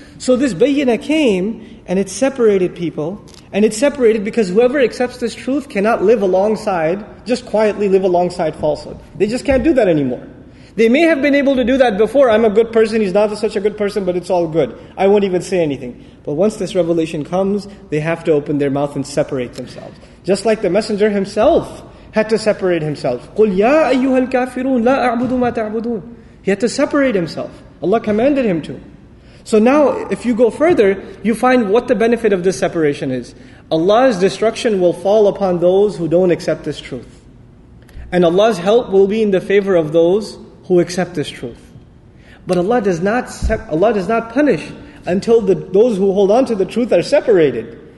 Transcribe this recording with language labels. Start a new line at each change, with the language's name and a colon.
English: So this bayyinah came and it separated people, and it separated because whoever accepts this truth cannot live alongside, just quietly live alongside falsehood. They just can't do that anymore. They may have been able to do that before, I'm a good person, he's not such a good person, but it's all good. I won't even say anything. But once this revelation comes, they have to open their mouth and separate themselves. Just like the messenger himself had to separate himself.
Arabic: قُلْ يَا أَيُّهَا الْكَافِرُونَ لَا أَعْبُدُ مَا تَعْبُدُونَ
English: He had to separate himself. Allah commanded him to. So now, if you go further, you find what the benefit of this separation is. Allah's destruction will fall upon those who don't accept this truth. And Allah's help will be in the favor of those who accept this truth. But Allah does not punish until those who hold on to the truth are separated.